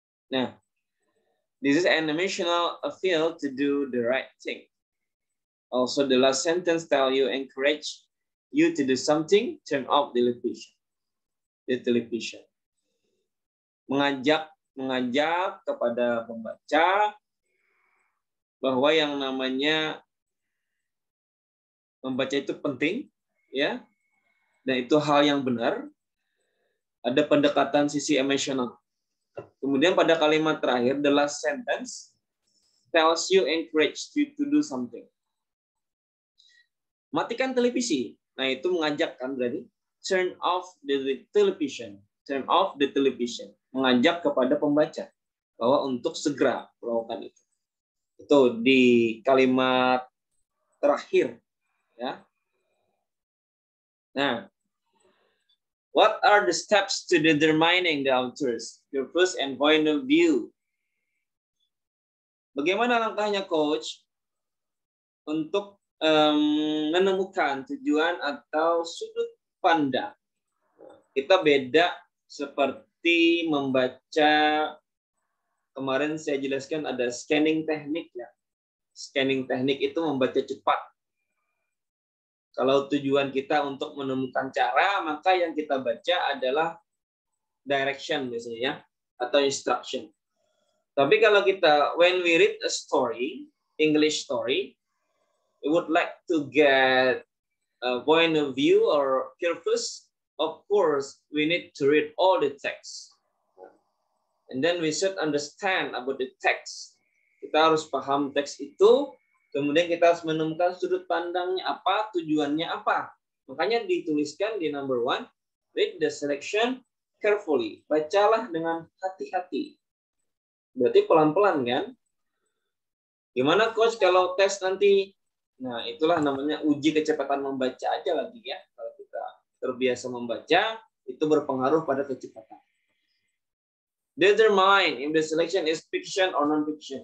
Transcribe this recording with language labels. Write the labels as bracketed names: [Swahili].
[English] Nah, this is an emotional appeal to do the right thing. Also, the last sentence tell you encourage you to do something, turn off the television. The television. [Indonesian] Mengajak kepada pembaca bahwa yang namanya membaca itu penting ya, dan itu hal yang benar. Ada pendekatan sisi emosional. Kemudian pada kalimat terakhir, [English] the last sentence tells you encourage you to do something. [Indonesian] Matikan televisi. Nah, itu mengajak kan berarti [English] turn off the television. Turn off the television. [Indonesian] Mengajak kepada pembaca bahwa untuk segera melakukan itu. Itu di kalimat terakhir ya. [English] Nah, what are the steps to determining the author's purpose and point of view? [Indonesian] Bagaimana langkahnya coach untuk menemukan tujuan atau sudut pandang? Kita beda seperti seperti membaca, kemarin saya jelaskan ada scanning teknik ya. Scanning teknik itu membaca cepat. Kalau tujuan kita untuk menemukan cara, maka yang kita baca adalah direction biasanya ya, atau instruction. Tapi kalau kita, [English] when we read a story, English story, we would like to get a point of view or purpose, of course, we need to read all the text. And then we should understand about the text. [Indonesian] Kita harus paham teks itu, kemudian kita harus menemukan sudut pandangnya apa, tujuannya apa. Makanya dituliskan di [English] number one, read the selection carefully. [Indonesian] Bacalah dengan hati-hati. Berarti pelan-pelan kan? Gimana coach kalau tes nanti? Nah, itulah namanya uji kecepatan membaca aja lagi ya. Kalau kita terbiasa membaca, itu berpengaruh pada kecepatan. [English] Determine if the selection is fiction or non-fiction.